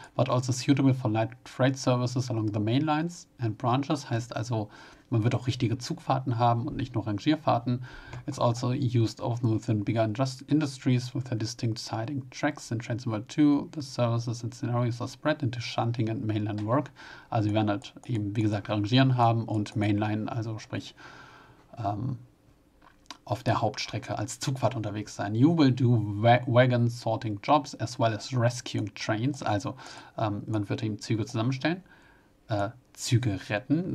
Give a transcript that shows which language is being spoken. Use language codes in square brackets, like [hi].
[en] But also suitable for light freight services along the main lines and branches. [de] Heißt also, man wird auch richtige Zugfahrten haben und nicht nur Rangierfahrten. [en] It's also used often within bigger industries with a distinct siding tracks in Trains Number 2. The services and scenarios are spread into shunting and mainline work. [de] Also wir werden halt eben, wie gesagt, rangieren haben und mainline, also sprich auf der Hauptstrecke als Zugfahrt unterwegs sein. [en] You will do wagon sorting jobs as well as rescuing trains. [de] Also man wird eben Züge zusammenstellen, Züge retten.